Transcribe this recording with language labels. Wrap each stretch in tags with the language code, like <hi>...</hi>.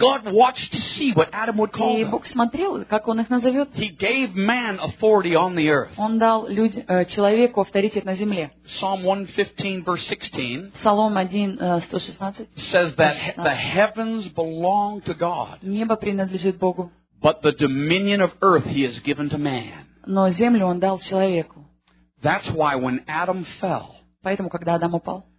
<en>And God watched to see what Adam would call them.</en> <ru>И Бог смотрел, как он их назовет.</ru> <en>He gave man authority on the earth.</en> <ru>Он дал человеку авторитет на земле.</ru> <en>Psalm 115 verse 16.</en> <ru>Псалом 116.</ru> <en>Says that the heavens belong to God.</en> <ru>Небо принадлежит Богу.</ru> <en>But the dominion of earth He has given to man.</en> <ru>Но землю Он дал человеку.</ru> <en>That's why when Adam fell.</en> <ru>Поэтому когда Адам упал.</ru>